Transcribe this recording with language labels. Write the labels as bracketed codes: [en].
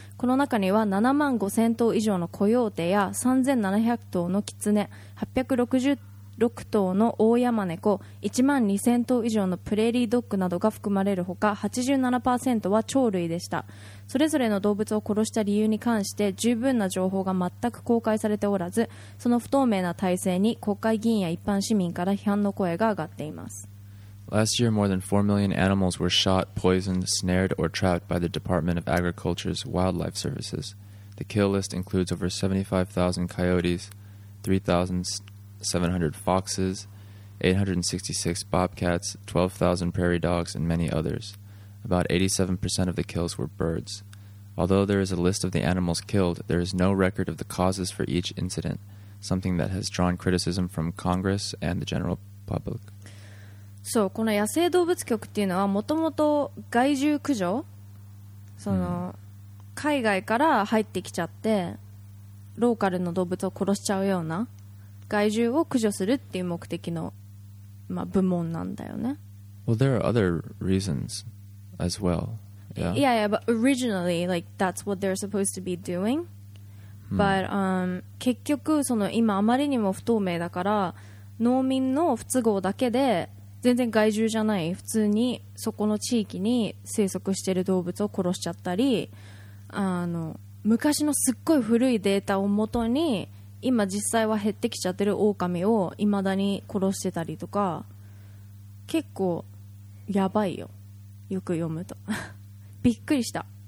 [ja] この中には7万5千頭以上のコヨーテや3700頭のキツネ、866頭のオオヤマネコ、1万2000頭以上のプレーリードッグなどが含まれるほか、87% は鳥類でした。それぞれの動物を殺した理由に関して十分な情報が全く公開されておらず、その不透明な体制に国会議員や一般市民から批判の声が上がっています。 [en] Last year, more than 4 million animals were shot, poisoned, snared, or trapped by the Department of Agriculture's Wildlife Services. The kill list includes over 75,000 coyotes, 3,700 foxes, 866 bobcats, 12,000 prairie dogs, and many others. About 87% of the kills were birds. Although there is a list of the animals killed, there is no record of the causes for each incident, something that has drawn criticism from Congress and the general public. [ja] そう、この野生動物局っていうのはもともと害獣駆除、その、海外から入ってきちゃってローカルの動物を殺しちゃうような害獣を駆除するっていう目的の、まあ、部門なんだよね。 [en] Well, there are other reasons as well. Yeah. Yeah, but originally, like, that's what they're supposed to be doing. [ja] But, 結局その今あまりにも不透明だから農民の不都合だけで全然害獣じゃない普通にそこの地域に生息してる動物を殺しちゃったり、あの昔のすっごい古いデータをもとに今実際は減ってきちゃってるオオカミを未だに殺してたりとか、結構やばいよ、よく読むとびっくりした。